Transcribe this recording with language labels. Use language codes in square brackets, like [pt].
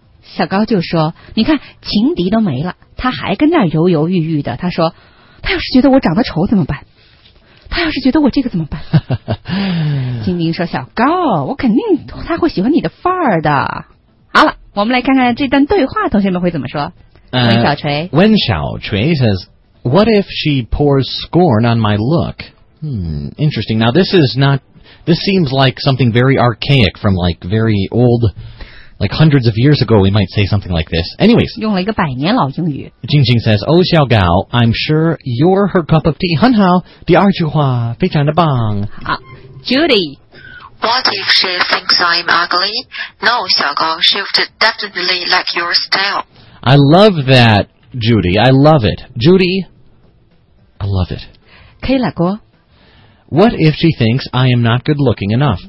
[zh] 小高就说：“你看，情敌都没了，他还跟那犹犹豫豫的。他说，他要是觉得我长得丑怎么办？” 他要是觉得我这个怎么办？金明说：“小高，我肯定他会喜欢你的范儿的。” 好了，我们来看看这段对话，同学们会怎么说？ [en] 温小锤 says, "What if she pours scorn on my look?" Interesting. Now this is not. This seems like something very archaic from like very old, like hundreds of years ago. We might say something like this. Anyways, [zh] 用了一个百年老英语。 [en] 静静 says, "Oh, 小高 I'm sure you're her cup of tea." [zh] 很好，第二句话非常的棒。好 ，Judy. [en] What if she thinks I'm ugly? No, 小高 she would definitely like your style. I love that, Judy. I love it, Judy. I love it. [zh] Kayla 哥 [en] What if she thinks I am not good looking enough?